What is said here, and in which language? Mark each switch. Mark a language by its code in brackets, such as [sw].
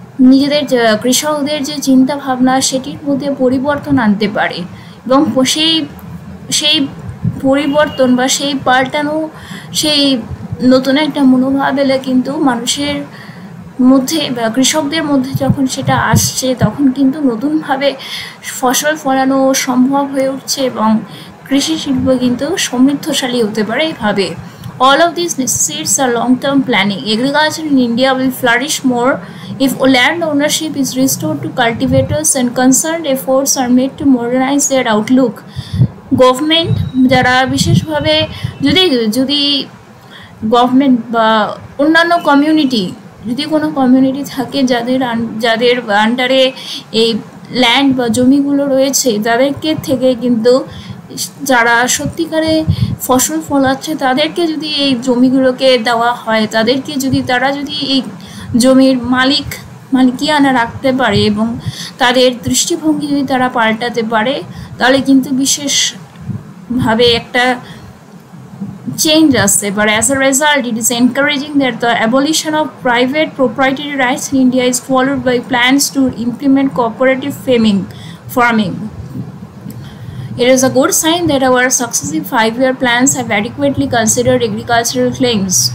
[bn] নিজেদের কৃষকদের যে চিন্তা ভাবনা সেটির মধ্যে পরিবর্তন আনতে পারে এবং সেই সেই পরিবর্তন বা সেই পাল্টানো সেই নতুন একটা মনোভাব এলে কিন্তু মানুষের মধ্যে বা কৃষকদের মধ্যে যখন সেটা আসছে তখন কিন্তু নতুনভাবে ফসল ফলানো সম্ভব হয়ে উঠছে এবং কৃষি শিল্প কিন্তু সমৃদ্ধশালী হতে পারে এভাবে। [en] All of these necessities are long-term planning. Agriculture in India will flourish more if land ownership is restored to cultivators and concerned efforts are made to modernize their outlook. [bn] Government, যারা বিশেষভাবে যদি গভর্নমেন্ট বা অন্যান্য community যদি কোনো community থাকে যাদের আন্ডারে এই ল্যান্ড বা জমিগুলো রয়েছে তাদেরকে থেকে কিন্তু যারা সত্যিকারে ফসল ফলাচ্ছে তাদেরকে যদি এই জমিগুলোকে দেওয়া হয় তাদেরকে যদি তারা যদি এই জমির মালিকানা রাখতে পারে এবং তাদের দৃষ্টিভঙ্গি যদি তারা পাল্টাতে পারে তাহলে কিন্তু বিশেষভাবে একটা চেঞ্জ আসতে পারে। [en] As a result it is encouraging that the abolition of private proprietary rights in India is followed by plans to implement cooperative farming. It is a good sign that our successive five-year plans have adequately considered agricultural claims.